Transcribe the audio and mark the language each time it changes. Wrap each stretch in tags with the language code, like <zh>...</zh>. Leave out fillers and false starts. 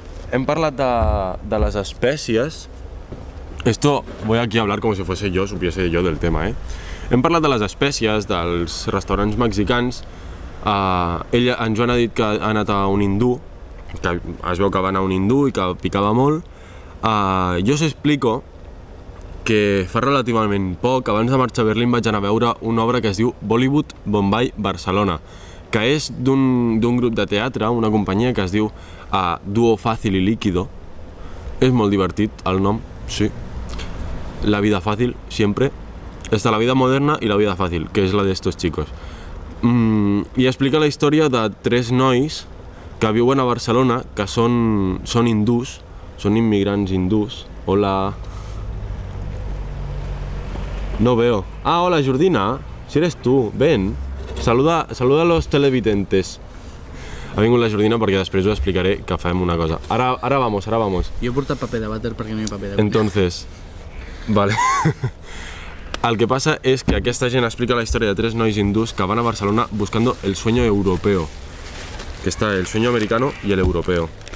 <ca>Hem parlat de les espècies.</ca> <es>Esto voy aquí a hablar como si fuese yo, supiese yo del tema, ¿eh?</es> <ca>Hem parlat de les espècies, dels restaurants mexicans. Ell, en Joan, ha dit que ha anat a un hindú, que es veu que va anar a un hindú i que picava molt.</ca> <es>Yo os explico</es> <ca>que fa relativament poc, abans de marxar a Berlín, vaig anar a veure una obra que es diu Bollywood Bombay Barcelona, que és d'un grup de teatre, una companyia que es diu Duo Fácil y Líquido. És molt divertit el nom, sí. La vida fàcil, sempre. Està la vida moderna i la vida fàcil, que és la d'</ca> <es>estos chicos.</es> <ca>I explica la història de tres nois que viuen a Barcelona, que són hindús, són immigrants hindús. Hola.</ca> <es>No veo. Ah, hola, Jordina. Si eres tu, ven. Saluda a los televidentes.</es> <ca>Ha vingut la Jordina perquè després ho explicaré que fem una cosa.</ca> <es>Ara vamos.</es> <ca>Jo he portat paper de vàter perquè no hi ha paper de vàter.</ca> <es>Entonces, vale.</es> <ca>El que passa és que aquesta gent explica la història de tres nois hindús que van a Barcelona</ca> <es>buscando el sueño europeo. que está el sueño americano y el europeo.</es>